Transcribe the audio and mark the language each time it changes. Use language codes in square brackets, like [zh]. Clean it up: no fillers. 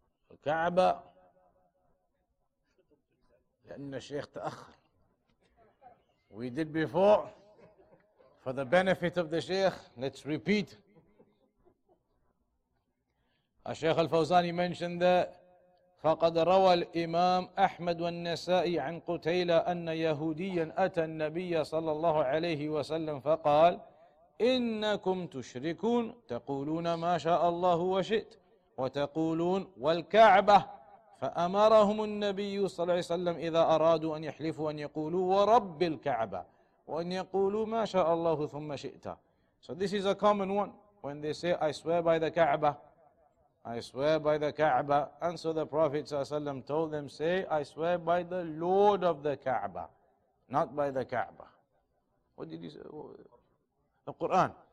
[en] Al-Ka'ba. [ar] لأن الشيخ تأخر. [en] We did before for the benefit of the Sheikh. Let's repeat. [ar] الشيخ الفوزاني [en] mentioned that [ar] فقد روى الإمام أحمد والنسائي عن قتيلة أن يهوديا أتى النبي صلى الله عليه وسلم فقال إنكم تشركون تقولون ما شاء الله وشئت وتقولون والكعبة فأمرهم النبي صلى الله عليه وسلم إذا أرادوا أن يحلفوا أن يقولوا ورب الكعبة وأن يقولوا ما شاء الله ثم شئت. [en] So this is a common one when they say I swear by the Kaaba, I swear by the Kaaba. And so the Prophet [ar] صلى الله عليه وسلم [en] told them, say I swear by the Lord of the Kaaba, not by the Kaaba. What did he say? The Quran.